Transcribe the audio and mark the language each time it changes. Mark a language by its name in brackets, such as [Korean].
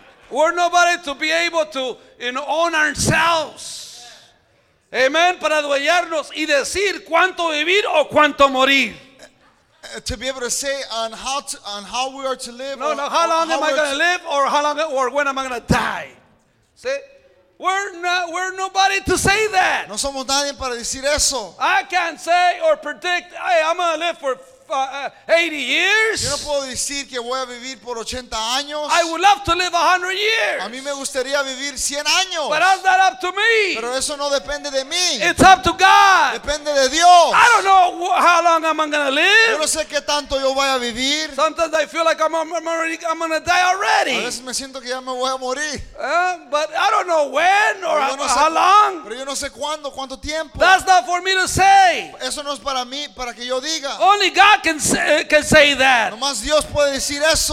[English] We're nobody to be able to own ourselves. Amen. [Spanish] Para adueñarnos y decir cuánto vivir o cuánto morir. [English] To be able to say on how to, on how we are to live. No, how long am I going to live or how long or when am I going to die? See? We're nobody to say that. [Spanish] No somos nadie para decir eso. [English] I can't say or predict, hey, I'm going to live for 80 years. [Spanish] Yo no puedo decir que voy a vivir por 80 años. [English] I would love to live 100 years. [Spanish] A mí me gustaría vivir 100 años. [English] But that's not up to me. [Spanish] Pero eso no depende de mí. [English] It's up to God. [Spanish] Depende de Dios. [English] I don't know how long I'm going to live. [Spanish] Yo no sé qué tanto yo voy a vivir. [English] Sometimes I feel like I'm going to die already. [Spanish] A veces me siento que ya me voy a morir. [English] But I don't know when or [Spanish] no sé, [English] how long. [Spanish] Pero yo no sé cuándo, cuánto tiempo. [English] That's not for me to say. [Spanish] Eso no es para mí, para que yo diga. [English] Only God can say that. [Spanish] Nomás Dios puede decir eso.